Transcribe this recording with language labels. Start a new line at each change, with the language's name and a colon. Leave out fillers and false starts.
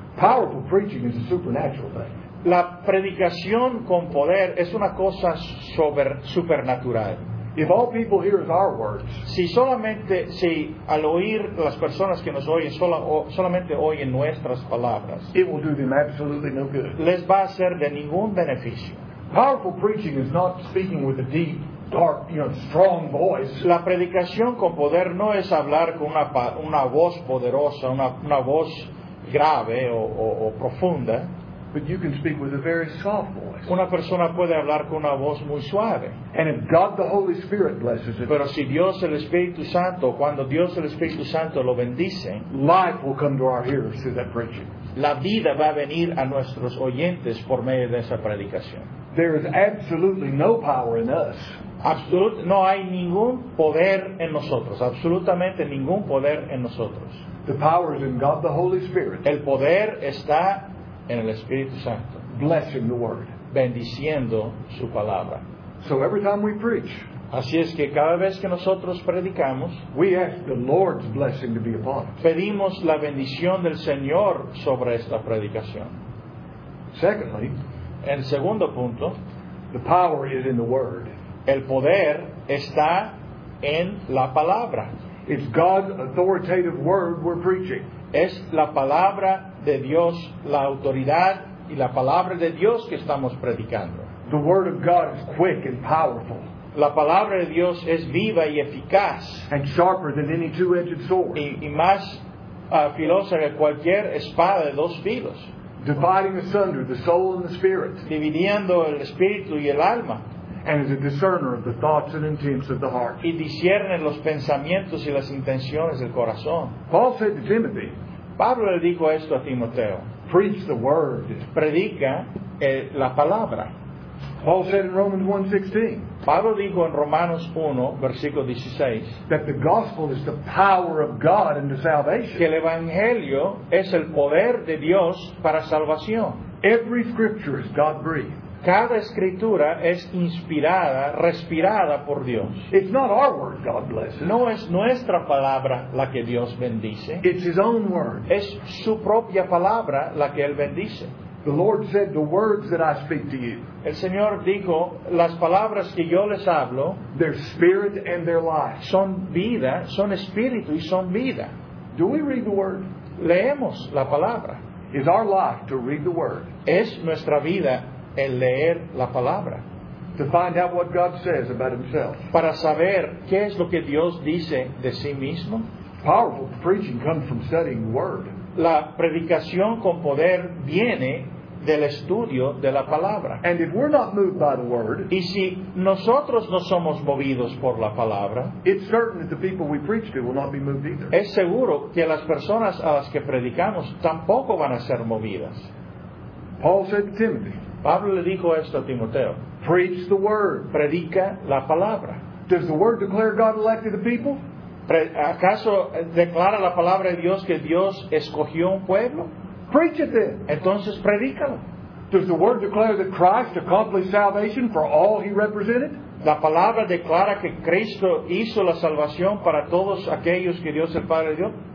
English: Powerful preaching is a supernatural thing.
Spanish: La predicación con poder es una cosa supernatural.
English: If all people hear our words,
Spanish: si al oír las personas que nos oyen solamente oyen nuestras palabras,
English: it will do them absolutely no good.
Spanish: Les va a ser de ningún beneficio.
English: Powerful preaching is not speaking with a deep, dark, you know, strong voice.
Spanish: La predicación con poder no es hablar con una voz poderosa, una voz grave o profunda.
English: But you can speak with a very soft voice.
Spanish: Una persona puede hablar con una voz muy suave.
English: And if God the Holy Spirit blesses it.
Spanish: Pero si Dios el Espíritu Santo, cuando Dios el Espíritu Santo lo bendice,
English: life will come to our hearers through that preaching.
Spanish: La vida va a venir a nuestros oyentes por medio de esa predicación.
English: There is absolutely no power in us.
Spanish: No hay ningún poder en nosotros. Absolutamente ningún poder en nosotros.
English: The power is in God the Holy Spirit.
Spanish: El poder está en el Espíritu Santo.
English: Blessing the word.
Spanish: Bendiciendo su palabra.
English: So every time we preach,
Spanish: así es que cada vez que nosotros predicamos,
English: we ask the Lord's blessing to be upon it.
Spanish: Pedimos la bendición del Señor sobre esta predicación.
English: Secondly,
Spanish: en segundo punto,
English: the power is in the word.
Spanish: El poder está en la palabra.
English: It's God's authoritative word we're preaching.
Spanish: Es la palabra de Dios, la autoridad y la palabra de Dios que estamos predicando.
English: The word of God is quick and powerful.
Spanish: La palabra de Dios es viva y eficaz.
English: And sharper than any two-edged sword.
Spanish: Y más filosa que cualquier espada de dos filos.
English: Dividing asunder the soul and the spirit.
Spanish: Dividiendo el espíritu y el alma.
English: And is a discerner of the thoughts and intents of the heart.
Spanish: Y discierne los pensamientos y las intenciones del corazón.
English: Paul said to Timothy,
Spanish: Pablo le dijo esto a Timoteo,
English: preach the word.
Spanish: Predica la palabra.
English: Paul said in Romans 1:16.
Spanish: Pablo dijo en Romanos 1, versículo 16,
English: that the gospel is the power of God unto salvation.
Spanish: Que el evangelio es el poder de Dios para salvación.
English: Every scripture is God-breathed.
Spanish: Cada escritura es inspirada, respirada por Dios.
English: It's not our word God blesses.
Spanish: No es nuestra palabra la que Dios bendice.
English: It's His own word.
Spanish: Es su propia palabra la que Él bendice.
English: The Lord said, "The words that I speak to you."
Spanish: El Señor dijo, las palabras que yo les hablo,
English: their spirit and their life.
Spanish: Son vida, son espíritu y son vida.
English: Do we read the word?
Spanish: Leemos la palabra.
English: is our life to read the word.
Spanish: Es nuestra vida el leer la palabra.
English: To find out what God says about himself.
Spanish: Para saber qué es lo que Dios dice de sí mismo.
English: Powerful preaching comes from studying the word.
Spanish: La predicación con poder viene del estudio de la palabra.
English: And if we're not moved by the word,
Spanish: y si nosotros no somos movidos por la palabra,
English: it's certain that the people we preach to will not be moved either.
Spanish: Es seguro que las personas a las que predicamos tampoco van a ser movidas.
English: Paul said to Timothy,
Spanish: Pablo le dijo esto a Timoteo,
English: preach the word.
Spanish: Predica la palabra.
English: Does the word declare God elected the people?
Spanish: ¿Acaso declara la palabra de Dios que Dios escogió un pueblo?
English: Preach it then.
Spanish: Entonces predícalo.
English: Does the word declare that Christ accomplished salvation for all he represented?
Spanish: La palabra declara que Cristo hizo la salvación para todos aquellos que Dios el Padre dio.